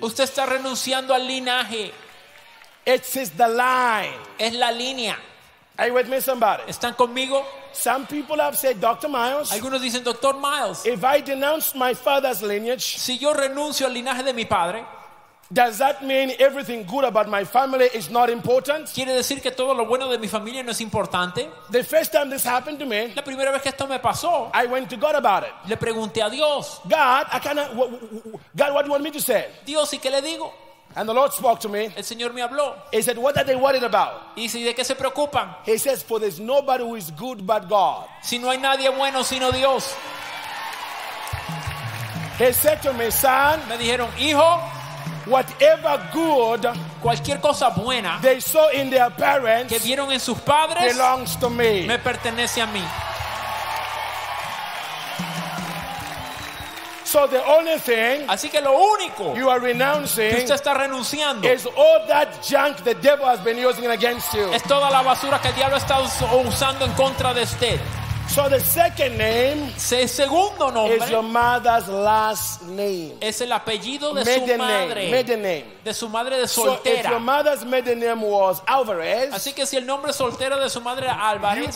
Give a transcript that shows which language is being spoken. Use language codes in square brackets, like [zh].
[es] Usted está renunciando al linaje. [en] It is the line. [es] Es la línea. [en] Are you with me, somebody? [es] ¿Están conmigo? [en] Some people have said, "Dr. Myles." [es] Algunos dicen, "Dr. Myles." [en] If I denounce my father's lineage. [es] Si yo renuncio al linaje de mi padre. [en] Does that mean everything good about my family is not important? [es] ¿Quiere decir que todo lo bueno de mi familia no es importante? [en] The first time this happened to me, [es] la primera vez que esto me pasó, [en] I went to God about it. [es] Le pregunté a Dios, [en] God, I cannot, God, what do you want me to say? [es] Dios, ¿y qué le digo? [en] And the Lord spoke to me. [es] El Señor me habló. [en] He said, "What are they worried about?" [es] Y dice, ¿de qué se preocupan? [en] He says, "For there's nobody who is good but God." [es] Si no hay nadie bueno sino Dios. [en] He said to me, "Son." [es] Me dijeron, hijo. [en] Whatever good, [es] cualquier cosa buena, [en] they saw in their parents, [es] que vieron en sus padres, [en] belongs to me. [es] Me pertenece a mí. [en] So the only thing, [es] así que lo único, [en] you are renouncing, [es] que usted está renunciando, [en] is all that junk the devil has been using against you. [es] Es toda la basura que el diablo está usando en contra de usted. [en] So the second name, [es] se segundo nombre, [en] is your mother's last name. [es] Es el apellido de maiden su madre. [en] Maiden name. [es] De su madre de soltera. [en] So if your mother's maiden name was Alvarez, [es] así que si el nombre soltero de su madre era Álvarez,